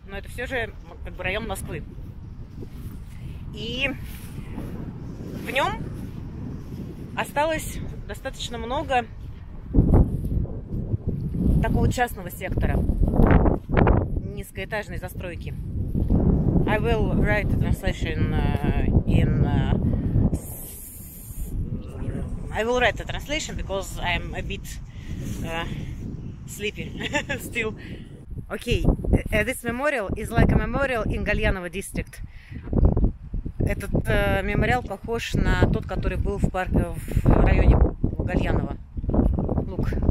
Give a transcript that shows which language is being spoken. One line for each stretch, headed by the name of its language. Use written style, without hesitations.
Russian: Но это все же как бы район Москвы. И в нем осталось достаточно много такого частного сектора. Низкоэтажной застройки.
English: I will write a translation in I will write a translation because I'm a bit sleepy still. Okay, this memorial is like a memorial in Galyanovo district.
Russian: Этот мемориал похож на тот, который был в парке в районе Гальянова.
English: Look.